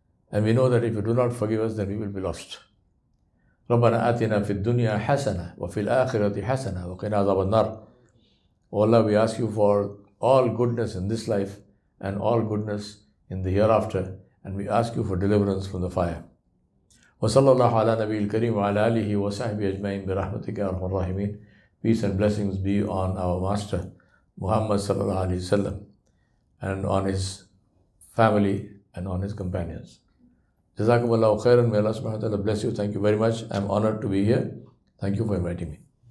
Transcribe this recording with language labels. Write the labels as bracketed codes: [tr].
[en] And we know that if you do not forgive us, then we will be lost. [ar] رَبَّنَا آتِنَا فِي الدُّنْيَا حَسَنَا وَفِي الْآخِرَةِ حَسَنَا وَقِنَا عَذَابَ النَّارِ. [en] Oh Allah, we ask you for all goodness in this life and all goodness in the hereafter, and we ask you for deliverance from the fire. [ar] وصلى الله على نبي الكريم وعلى آله وصحبه أجمعين برحمتك يا أرحم الراحمين. [en] Peace and blessings be on our Master Muhammad [ar] صلى الله عليه وسلم [en] and on his family and on his companions. [ar] جزاكم الله خيرا. [en] May Allah subhanahu wa ta'ala bless you. Thank you very much. I'm honored to be here. Thank you for inviting me.